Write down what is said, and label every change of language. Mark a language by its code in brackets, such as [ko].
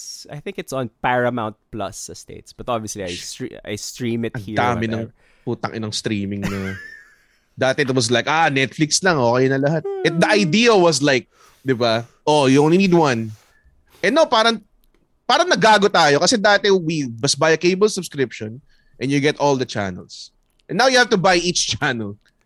[en] I think it's on Paramount Plus sa States. But obviously, I stream it ang here. [tl] Ang dami ng putang inang streaming na. [en] Dati it was like, Netflix [tl] lang, okay na lahat. [en] The idea was like, [tl] di ba? [en] Oh, you only need one. And no, [tl] parang nagago tayo. [en] Kasi dati, we just buy a cable subscription and you get all the channels. And now you have to buy each channel.